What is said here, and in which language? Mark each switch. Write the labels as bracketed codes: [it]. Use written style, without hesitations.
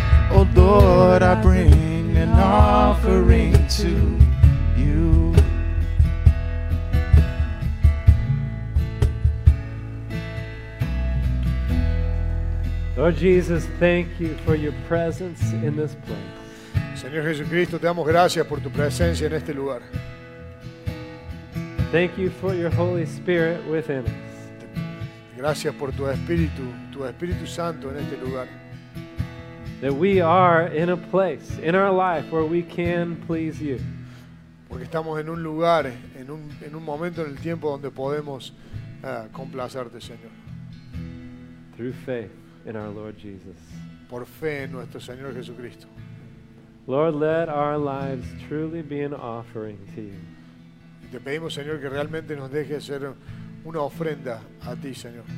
[en] Oh Lord, I bring an offering to you. Lord Jesus, thank you for your presence in this place. [es] Señor Jesucristo, te damos gracias por tu presencia en este lugar. [en] Thank you for your Holy Spirit within us. [es] Gracias por tu Espíritu Santo en este lugar. [en] That we are in a place in our life where we can please you. [es] Porque estamos en un lugar, en un momento en el tiempo donde podemos complacerte, Señor. [en] Through faith in our Lord Jesus. [es] Por fe en nuestro Señor Jesucristo. [en] Lord, let our lives truly be an offering to you. [es] Te pedimos, Señor, que realmente nos deje ser una ofrenda a ti, Señor.